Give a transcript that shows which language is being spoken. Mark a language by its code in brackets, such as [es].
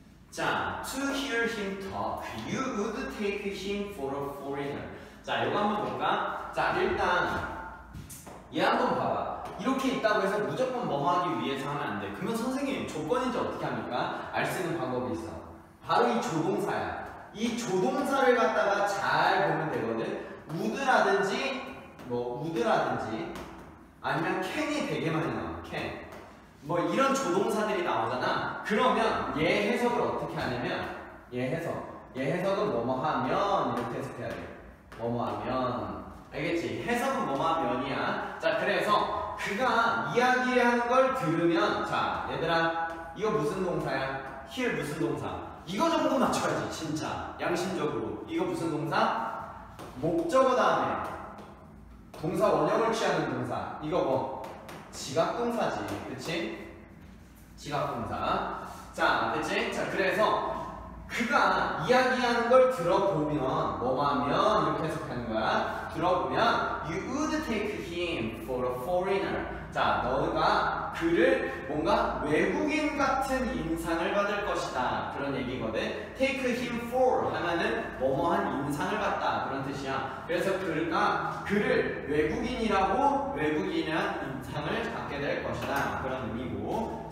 [en] 자, to hear him talk, you would take him for a foreigner. [ko] 자, 이거 한번 볼까? 자, 일단 얘 한번 봐봐. 이렇게 있다고 해서 무조건 뭐 하기 위해서 하면 안 돼. 그러면 선생님, 조건인지 어떻게 합니까? 알 수 있는 방법이 있어. 바로 이 조동사야. 이 조동사를 갖다가 잘 보면 되거든. would라든지 뭐 would라든지 아니면 can이 되게 많이 나와. can 뭐 이런 조동사들이 나오잖아. 그러면 얘 해석을 어떻게 하냐면, 얘 해석은 뭐뭐 하면 이렇게 해석해야 돼. 뭐뭐 하면, 알겠지? 해석은 뭐뭐 하면이야. 자, 그래서 그가 이야기하는 걸 들으면, 자 얘들아 이거 무슨 동사야? hear 무슨 동사? 이거 정도 맞춰야지. 진짜 양심적으로 이거 무슨 동사? 목적어 다음에 동사 원형을 취하는 동사. 이거 뭐? 지각동사지. 그치? 지각동사. 자, 됐지? 자, 그래서 그가 이야기하는 걸 들어보면, 뭐하면 이렇게 해석하는 거야. 들어보면 [en] you would take him for a foreigner. [ko] 자, 너가 그를 뭔가 외국인 같은 인상을 받을 것이다, 그런 얘기거든. take him for 하면은 뭐뭐한 인상을 받다, 그런 뜻이야. 그래서 그가 그를 외국인이라고, 외국인이란 인상을 받게 될 것이다, 그런 의미고.